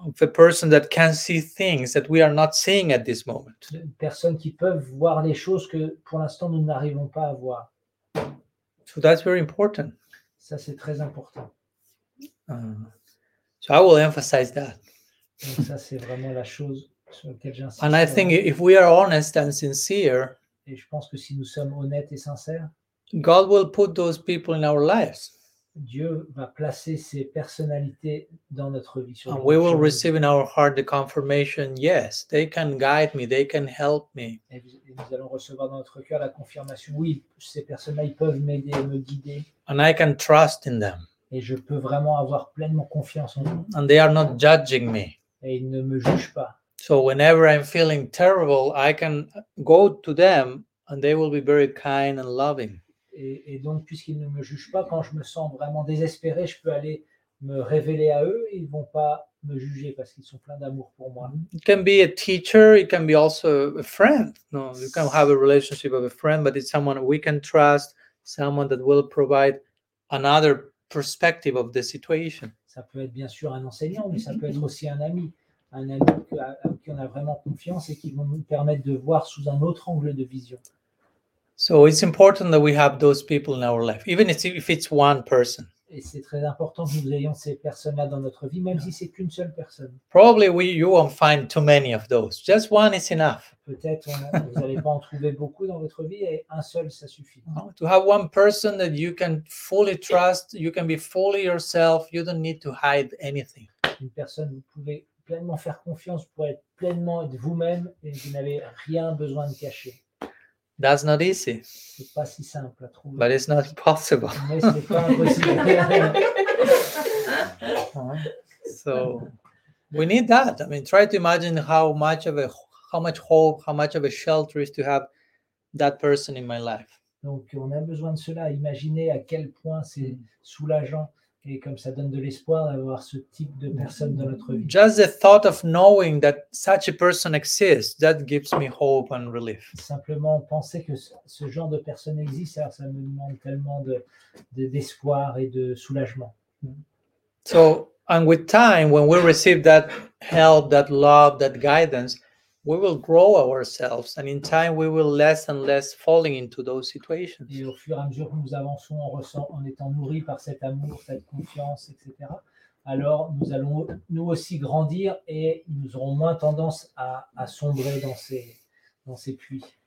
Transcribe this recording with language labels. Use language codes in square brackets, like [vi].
[en] A person that can see things that we are not seeing at this moment. [fr] Une personne qui peut voir les choses que, pour l'instant, nous n'arrivons pas à voir. [en] So that's very important. [fr] Ça, c'est très important. [en] So I will emphasize that. [fr] Donc ça, c'est vraiment la chose sur laquelle j'insiste. [en] And I think if we are honest and sincere, [fr] et je pense que si nous sommes honnêtes et sincères, [en] God will put those people in our lives. [fr] Dieu va placer ces personnalités dans notre vie. [en] Sur and we will receive in our heart the confirmation, yes, they can guide me, they can help me. [fr] Et nous allons recevoir dans notre cœur la confirmation, oui, ces personnes-là, ils peuvent m'aider et me guider. [en] And I can trust in them. [fr] Et je peux vraiment avoir pleinement confiance en eux. [en] And they are not judging me. [fr] Et ils ne me jugent pas. [en] So whenever I'm feeling terrible, I can go to them and they will be very kind and loving. [fr] Et donc, puisqu'ils ne me jugent pas, quand je me sens vraiment désespéré, je peux aller me révéler à eux. Ils ne vont pas me juger parce qu'ils sont pleins d'amour pour moi. [en] It can be a teacher, it can be also a friend. No, you can have a relationship of a friend, but it's someone we can trust, someone that will provide another perspective of the situation. [fr] Ça peut être bien sûr un enseignant, mais ça peut être aussi un ami à qui on a vraiment confiance et qui va nous permettre de voir sous un autre angle de vision. [en] So it's important that we have those people in our life, even if it's one person. [fr] Et c'est très important que nous ayons ces personnes-là dans notre vie, même si c'est qu'une seule personne. [en] Probably you won't find too many of those. Just one is enough. [fr] Peut-être vous n'allez pas en trouver beaucoup dans votre vie et un seul, ça suffit. [en] To have one person that you can fully trust, you can be fully yourself, you don't need to hide anything. [fr] Une personne, vous pouvez pleinement faire confiance pour être pleinement être vous-même et vous n'avez rien besoin de cacher. [en] That's not easy. [fr] C'est pas si simple à trouver. [en] But it's not possible. [fr] Mais c'est pas impossible. [en] So, we need that. I mean, try to imagine how much hope, how much of a shelter is to have that person in my life. [fr] Donc, on a besoin de cela. Imaginez à quel point c'est soulageant et comme ça donne de l'espoir d'avoir ce type de personne dans notre vie. [en] Just the thought of knowing that such a person exists, that gives me hope and relief. [fr] Simplement penser que ce genre de personne existe, alors ça me demande tellement d'espoir et de soulagement. [en] So, and with time, when we receive that help, that love, that guidance, we will grow ourselves, and in time we will less and less falling into those situations. [fr] Et au fur et à mesure que nous avançons, en étant nourris par cet amour, cette confiance, etc., alors nous allons nous aussi grandir et nous aurons moins tendance à sombrer dans ces puits.